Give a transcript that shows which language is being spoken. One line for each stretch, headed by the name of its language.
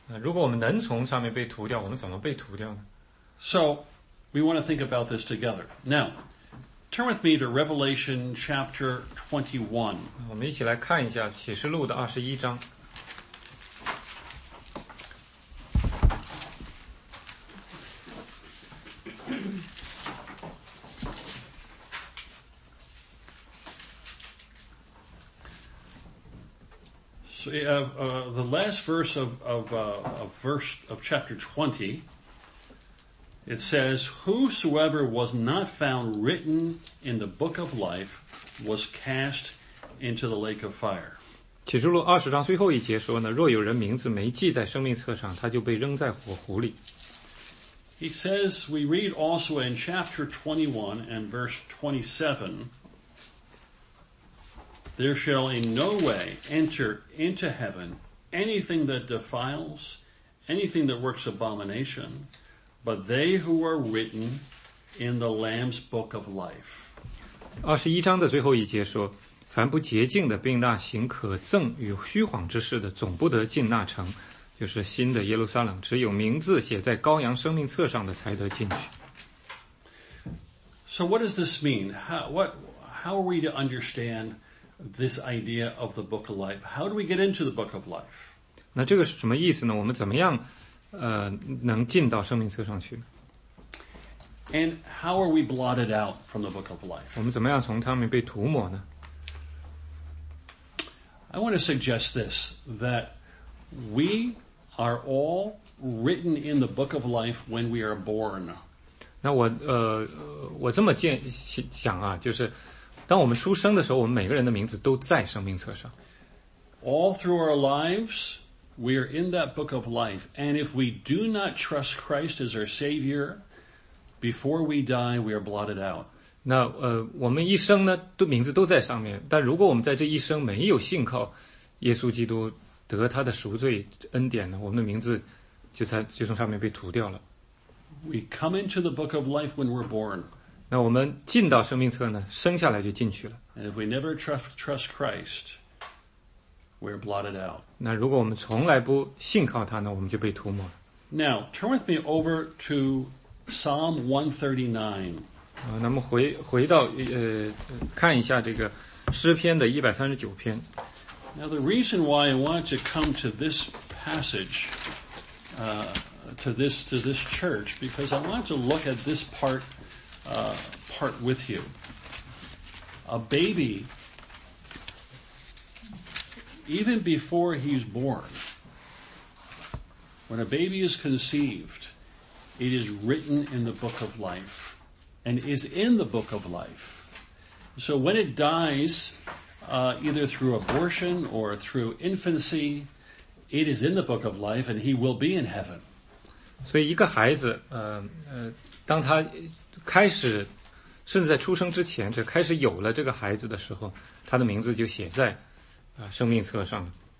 Chinese: 如果我们能从上面被涂掉，我们怎么被涂掉呢？
English: So, we want to think about this together. Now, turn with me to Revelation chapter 21.
Chinese: 我们一起来看一下启示录的21章。
English: So you have the last verse of chapter 20. It says, "Whosoever was not found written in the book of life was cast into the lake of fire."
Chinese: 启示录二十章最后一节说呢，若有人名字没记在生命册上，他就被扔在火湖里。
English: He says, we read also in chapter 21 and verse 27, there shall in no way enter into heaven anything that defiles, anything that works abomination, but they who are written in the Lamb's book of life.
Chinese: 二十一章的最后一节说，凡不洁净的，并那行可憎与虚谎之事的，总不得进那城，就是新的耶路撒冷。只有名字写在羔羊生命册上的，才得进去。
English: So what does this mean? How are we to understand this idea of the book of life? How do we get into the book of life?
Chinese: 那这个是什么意思呢？我们怎么样，能进到生命册上去？
English: And how are we blotted out from the book of life?
Chinese: 我们怎么样从它里面被涂抹呢？
English: I want to suggest this, that we are all written in the book of life when we are born.
Chinese: 那我这么想啊，就是当我们出生的时候，我们每个人的名字都在生命册上。
English: All through our lives, we are in that book of life. And if we do not trust Christ as our Savior, before we die, we are blotted out.
Chinese: 那我们一生呢都名字都在上面，但如果我们在这一生没有信靠耶稣基督得他的赎罪恩典呢，我们的名字就从上面被涂掉了。
English: We come into the book of life when we're born.
Chinese: 那我们进到生命册呢，生下来就进去了。
English: And if we never trust Christ, we're blotted out.
Chinese: 那如果我们从来不信靠他呢，我们就被涂抹了。
English: Now, turn with me over to Psalm 139.
Chinese: 那么回到看一下这个诗篇的139篇。
English: Now the reason why I want to come to this passage, to this church, because I want to look at this part with you. A baby, even before he's born, when a baby is conceived, it is written in the book of life. And is in the book of life. So when it dies, either through abortion or through infancy, it is in the book of life and he will be in heaven.
Chinese: 所以一个孩子当他开始甚至在出生之前就开始有了这个孩子的时候，他的名字就写在生命册上了。